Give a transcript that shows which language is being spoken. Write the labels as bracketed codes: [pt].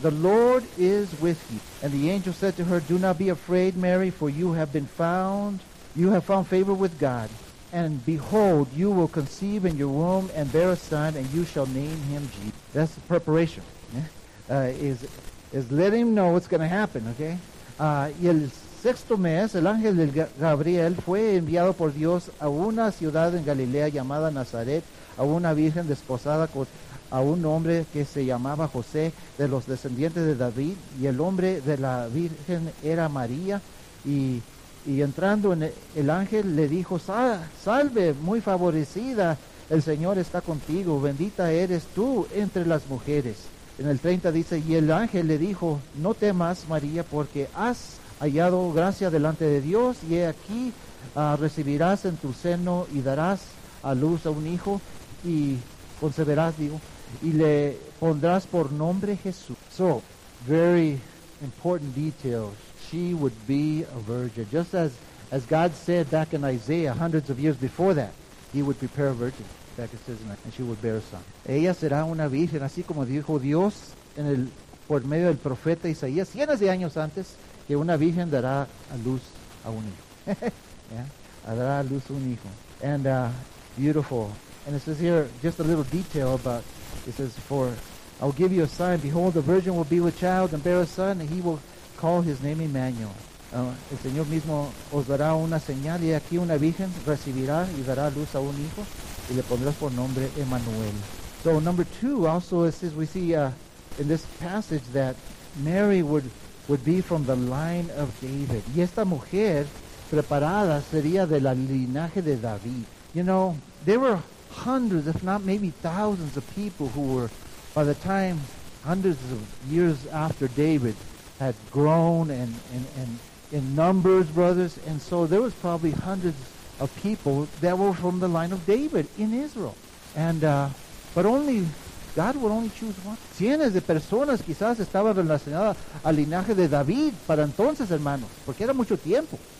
[en] The Lord is with you." And the angel said to her, "Do not be afraid, Mary, for you have been found. You have found favor with God. And behold, you will conceive in your womb and bear a son, and you shall name him Jesus." That's preparation. Is let him know what's going to happen, okay? [es] Y el sexto mes, el ángel Gabriel fue enviado por Dios a una ciudad en Galilea llamada Nazaret, a una virgen desposada con a un hombre que se llamaba José, de los descendientes de David, y el nombre de la virgen era María. Y entrando en el ángel le dijo, "Salve, muy favorecida, el Señor está contigo, bendita eres tú entre las mujeres." En el 30 dice, y el ángel le dijo, "No temas, María, porque has hallado gracia delante de Dios, y he aquí, recibirás en tu seno y darás a luz a un hijo, y conceberás, digo, y le pondrás por nombre Jesús." [en] So, very important details. She would be a virgin. Just as God said back in Isaiah, hundreds of years before that, he would prepare a virgin. Back it says, and she would bear a son. [es] Ella será una virgen, así como dijo Dios en el por medio del profeta Isaías, cientos de años antes, que una virgen dará a luz a un hijo. [en] Yeah? [es] Dará a luz a un hijo. [en] And beautiful. And it says here, just a little detail about, it says, "For I'll give you a sign. Behold, the virgin will be with child and bear a son, and he will call his name Emmanuel." [es] El Señor mismo os dará una señal, y aquí una virgen recibirá y dará luz a un hijo, y le pondrás por nombre Emmanuel. [en] So number two, also it says, we see in this passage that Mary would be from the line of David. [es] Y esta mujer preparada sería del linaje de David. [en] You know, there were hundreds, if not maybe thousands of people who were, by the time hundreds of years after David had grown and in numbers, brothers, and so there was probably hundreds of people that were from the line of David in Israel. And but only God would only choose one. [es] Cientos de personas quizás estaban relacionadas al linaje de David para entonces, hermanos, porque era mucho tiempo.